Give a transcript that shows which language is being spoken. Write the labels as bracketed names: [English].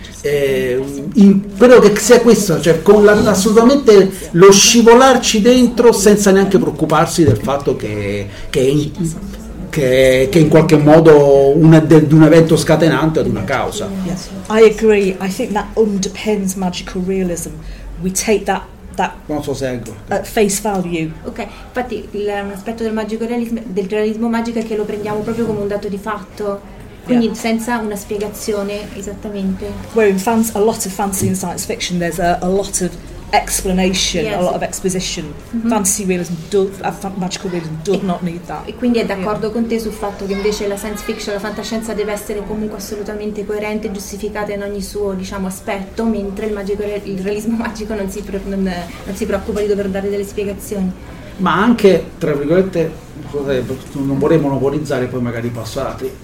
[Italian] Credo che sia questo, cioè con assolutamente lo scivolarci dentro senza neanche preoccuparsi del fatto che in qualche modo un evento scatenante o di una causa. [English] Yes, I agree. I think that underpins magical realism. We take that at face value. [Italian] Ok, infatti un aspetto del magico realismo, del realismo magico, è che lo prendiamo proprio come un dato di fatto. Quindi senza una spiegazione esattamente. [English] Where in a lot of fantasy and science fiction there's a lot of explanation, yes, a lot of exposition. Mm-hmm. Fantasy realism, magical realism does not need that. [Italian] E quindi è d'accordo con te sul fatto che invece la science fiction, la fantascienza deve essere comunque assolutamente coerente, giustificata in ogni suo, diciamo, aspetto, mentre il realismo magico non si preoccupa di dover dare delle spiegazioni. Ma anche, tra virgolette, non vorrei monopolizzare, poi magari passo ad altri.